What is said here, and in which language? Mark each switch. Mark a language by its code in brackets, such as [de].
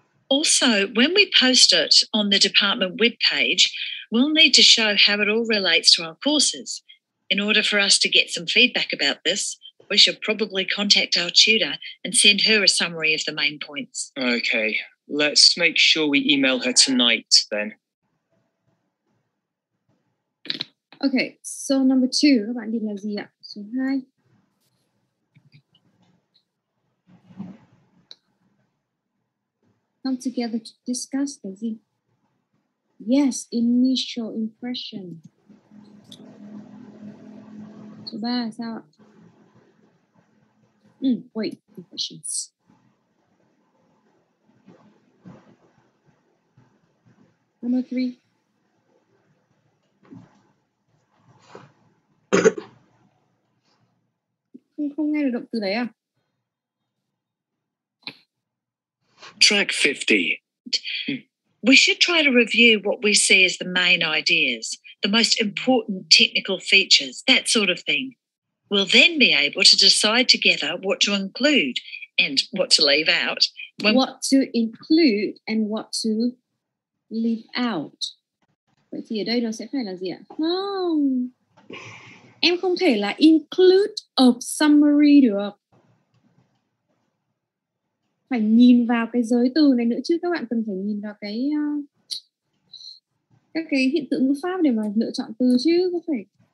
[en] Also, when we post it on the department webpage, we'll need to show how it all relates to our courses. In order for us to get some feedback about this, we should probably contact our tutor and send her a summary of the main points. Okay, let's make sure we email her tonight then. Okay, so number two, [vi] các bạn định là gì ạ? Số 2. [en] Come together to discuss the gì? Yes, initial impression. [vi] Số 3 là sao ạ? [en] Wait, impressions. Number three. [vi] Không nghe được động từ đấy à? [en] Track 50. We should try to review what we see as the main ideas, the most important technical features, that sort of thing. We'll then be able to decide together what to include and what to leave out. What to include and what to leave out. [vi] Vậy thì ở đây nó sẽ phải là gì ạ? Không. Em không thể là [en] include a summary [vi] được. Phải nhìn vào cái giới từ này nữa chứ. Các bạn cần phải nhìn vào cái các cái hiện tượng ngữ pháp để mà lựa chọn từ chứ. Có phải...